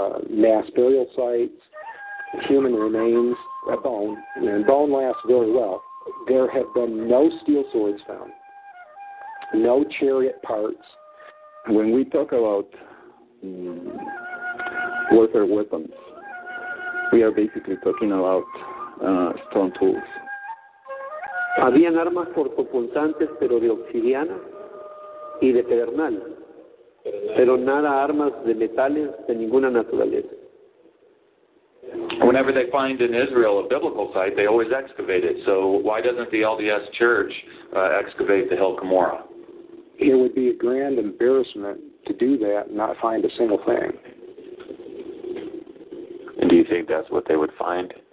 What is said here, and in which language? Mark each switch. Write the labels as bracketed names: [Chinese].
[English] Mass burial sites, human remains, a bone, and bone lasts very well. There have been no steel swords found, no chariot parts. When we talk about warfare weapons, we are basically talking about stone tools. [Spanish] Habían armas cortopunzantes, pero de obsidiana y de pedernal, pero nada armas de metales de ninguna naturaleza. [English] whenever they find in Israel a biblical site, they always excavate it. So why doesn't the LDS Church excavate the Hill Cumorah? It would be a grand embarrassment to do that and not find a single thing. And do you think that's what they would find?